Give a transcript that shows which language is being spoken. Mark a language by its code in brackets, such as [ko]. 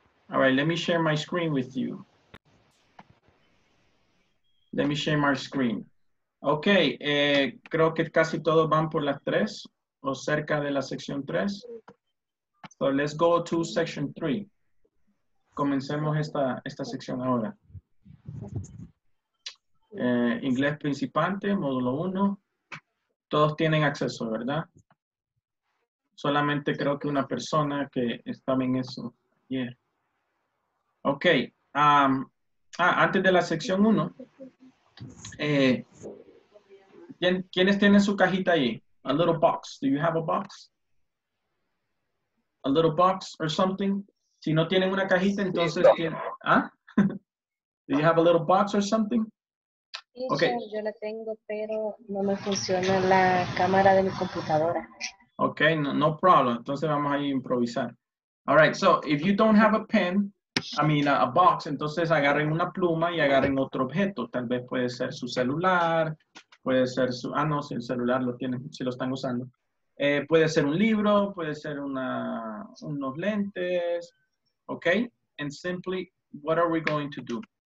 [en] All right, let me share my screen with you. Let me share my screen. [es] Ok, creo que casi todos van por las 3 o cerca de la sección 3. [en] So let's go to section 3. [es] Comencemos esta sección ahora. Inglés principiante, módulo 1. Todos tienen acceso, ¿verdad? Solamente creo que una persona que estaba en eso ayer. Yeah. Ok, antes de la sección 1. ¿Quiénes tienen su cajita ahí? [en] A little box. Do you have a box? A little box or something? [es] Si no tienen una cajita, entonces sí, tienen... ¿Ah? [en] Do you have a little box or something? [es] Sí, okay. Sí, yo la tengo, pero no me funciona la cámara de mi computadora. [en] Ok, no problem. [es] Entonces vamos a improvisar. [en] All right, so if you don't have a pen, I mean a box, [es] entonces agarren una pluma y agarren otro objeto. Tal vez puede ser su celular... Puede ser su, ah, no, si el celular lo tienen, si lo están usando. Puede ser un libro, puede ser unos lentes. [en] Ok, and simply, what are we going to do?